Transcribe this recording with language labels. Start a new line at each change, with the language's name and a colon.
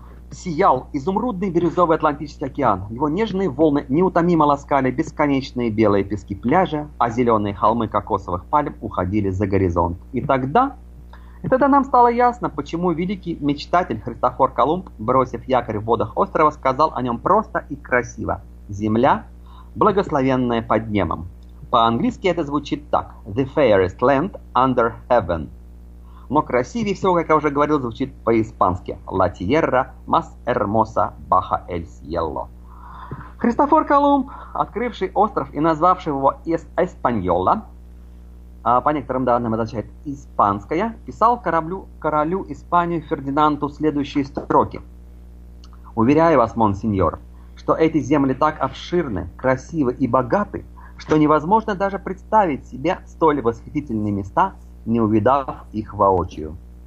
Russian: Сиял изумрудный бирюзовый Атлантический океан. Его нежные волны неутомимо ласкали бесконечные белые пески пляжа, а зеленые холмы кокосовых пальм уходили за горизонт. И тогда нам стало ясно, почему великий мечтатель Христофор Колумб, бросив якорь в водах острова, сказал о нем просто и красиво: «Земля, благословенная под небом». По-английски это звучит так:
English: «The fairest land under heaven».
Russian: Но красивее всего, как я уже говорил, звучит по-испански:
Spanish: «La tierra más hermosa bajo el cielo».
Russian: Христофор Колумб, открывший остров и назвавший его «Эспаньола», по некоторым данным означает «испанская», писал королю Испании Фердинанду следующие строки: «Уверяю вас, монсеньор, что эти земли так обширны, красивы и богаты, что невозможно даже представить себе столь восхитительные места, не увидав их воочию».